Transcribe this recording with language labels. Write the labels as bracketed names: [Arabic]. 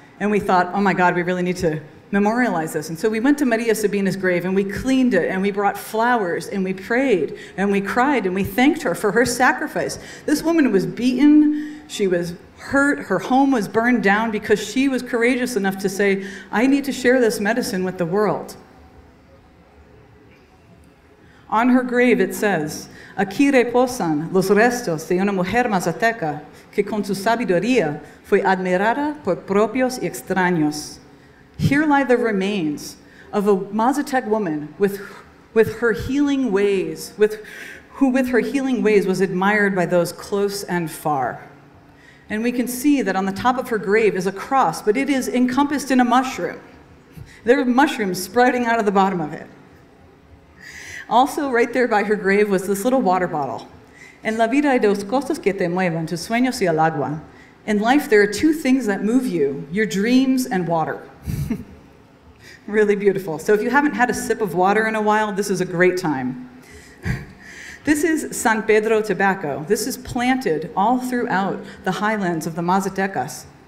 [English] And we thought, oh my God, we really need to memorialize this. And so we went to Maria Sabina's grave and we cleaned it and we brought flowers and we prayed and we cried and we thanked her for her sacrifice. This woman was beaten, she was hurt, her home was burned down because she was courageous enough to say, I need to share this medicine with the world. On her grave it says, [Spanish] aquí reposan los restos de una mujer mazateca que con su sabiduría fue admirada por propios y extraños. [English] Here lie the remains of a Mazatec woman with her healing ways, with her healing ways was admired by those close and far. And we can see that on the top of her grave is a cross, but it is encompassed in a mushroom. There are mushrooms sprouting out of the bottom of it. Also right there by her grave was this little water bottle. [Spanish] En la vida hay dos cosas que te mueven, tus sueños y el agua. [English] In life, there are two things that move you, your dreams and water. Really beautiful. So if you haven't had a sip of water in a while, this is a great time. This is San Pedro tobacco. This is planted all throughout the highlands of the Mazatecas.